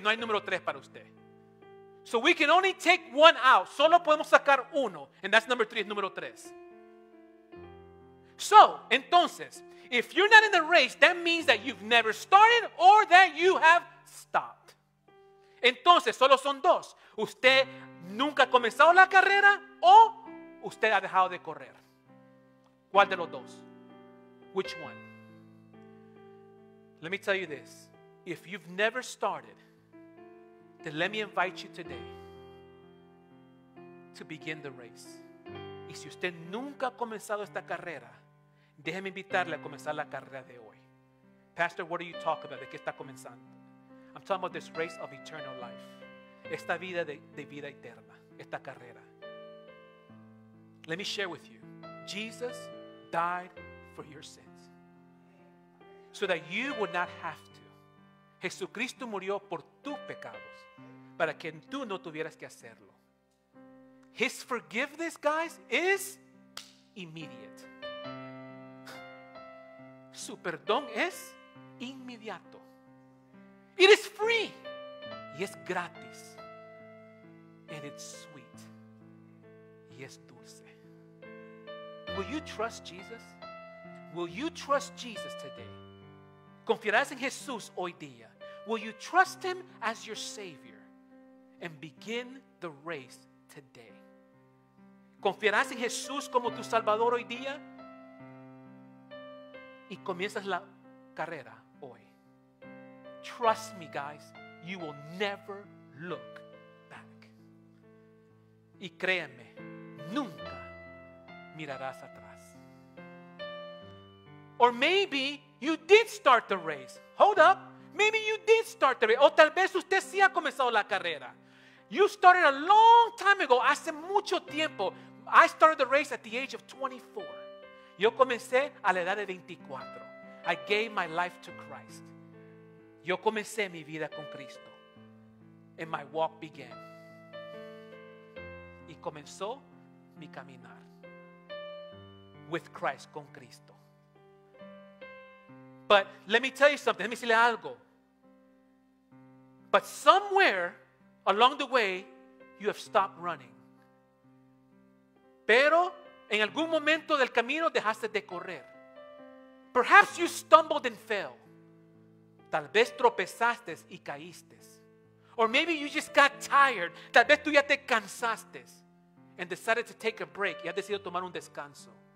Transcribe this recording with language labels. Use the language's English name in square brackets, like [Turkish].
[Spanish] No hay número tres para usted. [English] So we can only take one out. [Spanish] Solo podemos sacar uno. [English] And that's number three, [Spanish] es número tres. [English] So, entonces, if you're not in the race, that means that you've never started or that you have stopped. [Spanish] Entonces, solo son dos. Usted nunca ha comenzado la carrera o usted ha dejado de correr. ¿Cuál de los dos? [English] Which one? Let me tell you this. If you've never started, then let me invite you today to begin the race. [Spanish] Y si usted nunca ha comenzado esta carrera, déjeme invitarle a comenzar la carrera de hoy. [English] Pastor, what are you talking about? [Spanish] ¿De qué está comenzando? [English] I'm talking about this race of eternal life. [Spanish] Esta vida de vida eterna. Esta carrera. [English] Let me share with you. Jesus died for your sins, so that you would not have to. [Spanish] Jesucristo murió por tus pecados, para que tú no tuvieras que hacerlo. [English] His forgiveness, guys, is immediate. [Spanish] Su perdón es inmediato. [English] It is free. [Spanish] Y es gratis. [English] And it's sweet. [Spanish] Y es dulce. [English] Will you trust Jesus? Will you trust Jesus today? [Spanish] ¿Confiarás en Jesús hoy día? [English] Will you trust him as your Savior and begin the race today? [Spanish] ¿Confiarás en Jesús como tu Salvador hoy día? Y comienzas la carrera hoy. [English] Trust me, guys, you will never look back. [Spanish] Y créeme, nunca mirarás atrás. [English] Or maybe you did start the race. Hold up. Maybe you did start the race. [Spanish] O tal vez usted sí ha comenzado la carrera. [English] You started a long time ago. [Spanish] Hace mucho tiempo. [English] I started the race at the age of 24. [Spanish] Yo comencé a la edad de 24. [English] I gave my life to Christ. [Spanish] Yo comencé mi vida con Cristo. [English] And my walk began. [Spanish] Y comenzó mi caminar. [English] With Christ, [Spanish] con Cristo. [English] But let me tell you something. Let me decirle algo. But somewhere along the way, you have stopped running. [Spanish] Pero en algún momento del camino dejaste de correr. [English] Perhaps you stumbled and fell. [Spanish] Tal vez tropezaste y caíste. [English] Or maybe you just got tired. [Spanish] Tal vez tú ya te cansaste. [English] And decided to take a break. [Spanish] Y has decidido tomar un descanso.